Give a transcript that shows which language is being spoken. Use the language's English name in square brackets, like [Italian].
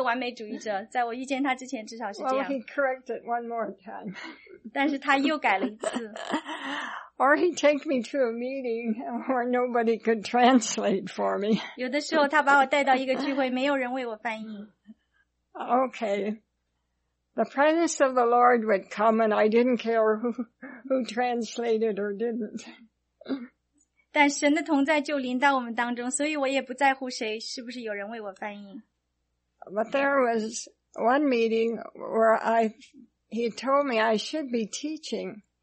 [Chinese] 我想他也许因为觉得应该这样做，当然了，我也是一个完美主义者，在我遇见他之前至少是这样。 [English] Well, he corrected one more time. [Chinese] 但是他又改了一次。 [English] Or he'd take me to a meeting where nobody could translate for me. [Chinese] 有的时候他把我带到一个聚会，没有人为我翻译。Okay. [English] The presence of the Lord would come and I didn't care who translated or didn't. [Chinese] 但神的同在就临到我们当中，所以我也不在乎谁是不是有人为我翻译。But [English] there was one meeting where he told me I should be teaching.